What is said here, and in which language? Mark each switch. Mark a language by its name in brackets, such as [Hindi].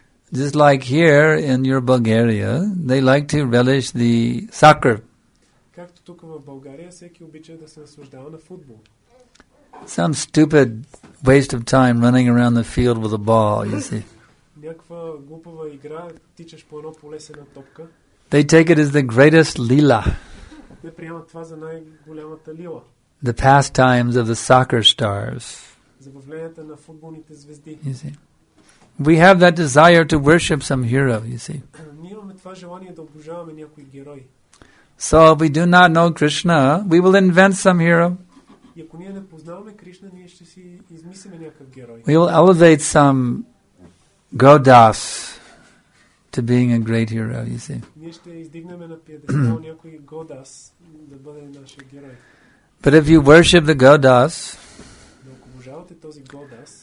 [English] Just like here in your Bulgaria, they like to relish the soccer. [Bulgarian] Както тук в България, всеки обича да се наслаждава на футбол. [English] Some stupid waste of time running around the field with a ball, you see. [Bulgarian] Някаква глупава игра, тичаш по едно поле с една топка. [English] They take it as the greatest lila. [Bulgarian] Те приемат това за най-голямата лила. [English] The pastimes of the soccer stars. [Bulgarian] Забавленията на футболните звезди. [English] You see. We have that desire to worship some hero, you see. [Bulgarian] Ние имаме това желание да обожаваме някой герой. [English] So if we do not know Krishna, we will invent some hero. [Bulgarian] И ако ние не познаваме Кришна, ние ще си измислиме някакъв герой. [English] We will elevate some Godas to being a great hero, you see. [Bulgarian] Ние ще издигнеме на пиедестал някой Godas да бъде нашия герой. [English] But if you worship the Godas, [Bulgarian] но ако обожавате този Godas,